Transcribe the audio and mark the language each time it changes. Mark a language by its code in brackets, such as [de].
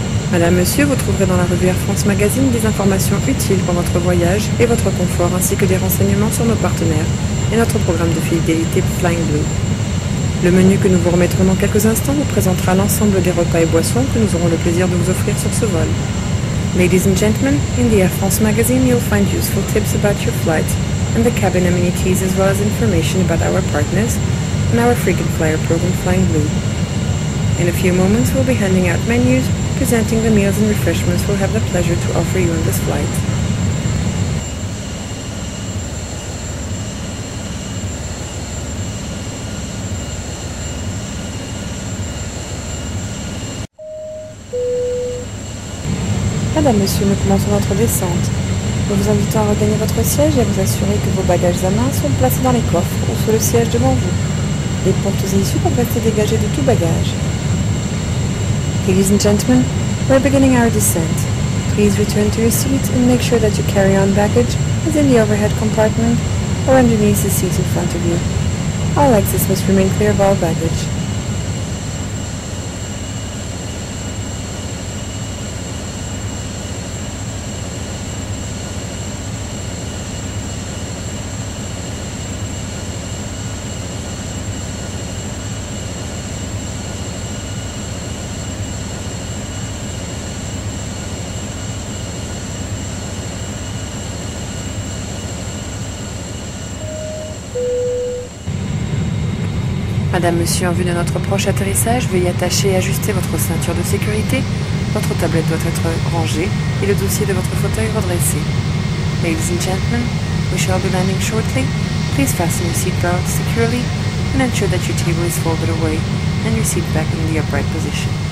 [fr] Madame, monsieur, vous trouverez dans la revue Air France Magazine des informations utiles pour votre voyage et votre confort, ainsi que des renseignements sur nos partenaires et notre programme de fidélité Flying Blue. Le menu que nous vous remettrons dans quelques instants vous présentera l'ensemble des repas et boissons que nous aurons le plaisir de vous offrir sur ce vol. [en] Ladies and gentlemen, in the Air France Magazine you'll find useful tips about your flight and the cabin amenities, as well as information about our partners and our frequent flyer program Flying Blue. In a few moments we'll be handing out menus, presenting the meals and refreshments we'll have the pleasure to offer you on this flight. [fr] Madame, monsieur, nous commençons notre descente. Nous vous invitons à regagner votre siège et à vous assurer que vos bagages à main sont placés dans les coffres ou sous le siège devant vous. Les portes et issues peuvent être dégagées de tout bagage. [en] Ladies and gentlemen, we're beginning our descent. Please return to your seat and make sure that your carry-on baggage is in the overhead compartment or underneath the seat in front of you. All exits must remain clear of all baggage. [fr] Madame, monsieur, en vue de notre proche atterrissage, veuillez attacher et ajuster votre ceinture de sécurité. Votre tablette doit être rangée et le dossier de votre fauteuil redressé. [en] Ladies and gentlemen, we shall be landing shortly. Please fasten your seatbelt securely and ensure that your table is folded away and your seat back in the upright position.